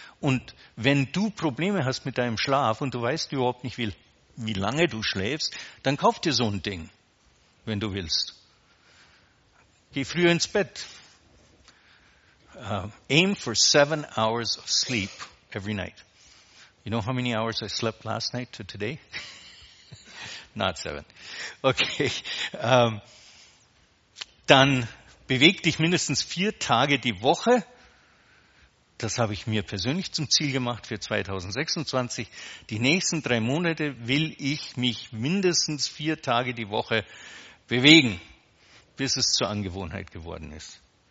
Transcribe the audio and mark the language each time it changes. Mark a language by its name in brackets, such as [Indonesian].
[German] Und wenn du Probleme hast mit deinem Schlaf und du weißt überhaupt nicht, wie lange du schläfst, dann kauf dir so ein Ding, wenn du willst. Geh früher ins Bett. [English] Aim for 7 hours of sleep every night. You know how many hours I slept last night to today? Not 7. Okay. [German] Dann beweg dich mindestens 4 Tage die Woche. Das habe ich mir persönlich zum Ziel gemacht für 2026. Die nächsten 3 Monate will ich mich mindestens 4 Tage die Woche bewegen, bis es zur Angewohnheit geworden ist.